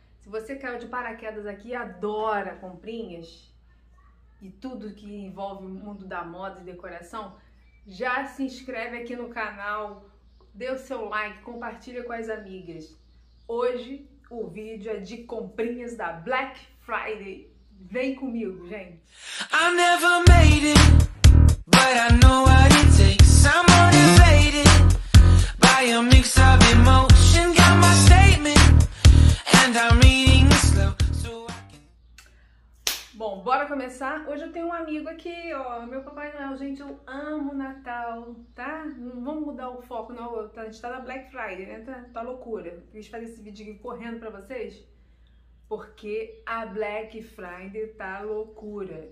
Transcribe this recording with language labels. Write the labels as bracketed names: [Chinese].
[Portuguese] Se você caiu de paraquedas aqui e adora comprinhas e tudo que envolve o mundo da moda e decoração, já se inscreve aqui no canal, dê o seu like, compartilha com as amigas. Hoje o vídeo é de comprinhas da Black Friday. Vem comigo, gente! [English] I never made it, but I know what it takes. I'm motivated by a mix of emotion. Got my statement and I'm reading it slow so I can... [Portuguese] Bom, bora começar? Hoje eu tenho um amigo aqui, ó, meu Papai Noel. Gente, eu amo Natal, tá? Não vamos mudar o foco, não. A gente tá na Black Friday, né? Tá loucura. Quis fazer esse vídeo aqui correndo pra vocês. Porque a Black Friday tá loucura.